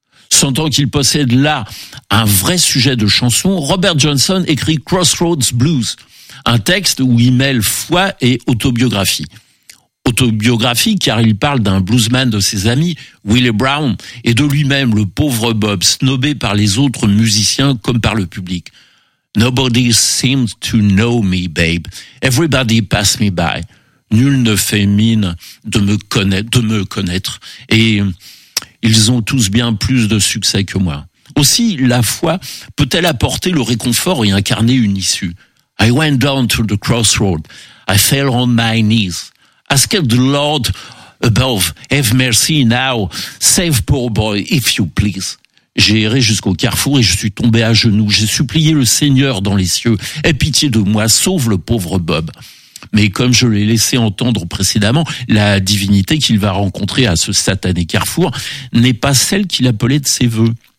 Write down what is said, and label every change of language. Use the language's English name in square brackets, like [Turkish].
[French] Sentant qu'il possède là un vrai sujet de chanson, Robert Johnson écrit Crossroads Blues, un texte où il mêle foi et autobiographie. Autobiographie car il parle d'un bluesman de ses amis, Willie Brown, et de lui-même, le pauvre Bob, snobé par les autres musiciens comme par le public. [English] « Nobody seems to know me, babe. Everybody pass me by. [French] Nul ne fait mine de me connaître. » Et ils ont tous bien plus de succès que moi. Aussi, la foi peut-elle apporter le réconfort et incarner une issue? [English] I went down to the crossroad. I fell on my knees. Ask the Lord above, have mercy now. Save poor boy, if you please. [French] J'ai erré jusqu'au carrefour et je suis tombé à genoux. J'ai supplié le Seigneur dans les cieux. Aie pitié de moi, sauve le pauvre Bob. Mais comme je l'ai laissé entendre précédemment, la divinité qu'il va rencontrer à ce satané carrefour n'est pas celle qu'il appelait de ses vœux.